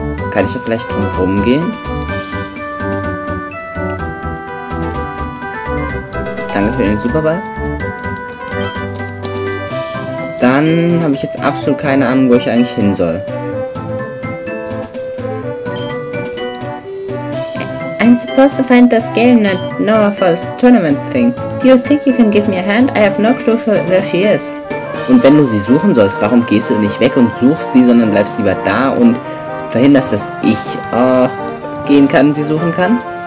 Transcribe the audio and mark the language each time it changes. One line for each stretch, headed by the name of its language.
German: Kann ich hier vielleicht drum rumgehen? Danke für den Superball. Dann habe ich jetzt absolut keine Ahnung, wo ich eigentlich hin soll.
English: I'm supposed to find this girl in Noah's tournament thing. Do you think you can give me a hand? I have no clue where she is.
German: Und wenn du sie suchen sollst, warum gehst du nicht weg und suchst sie, sondern bleibst lieber da und verhinderst, dass ich gehen kann und sie suchen kann?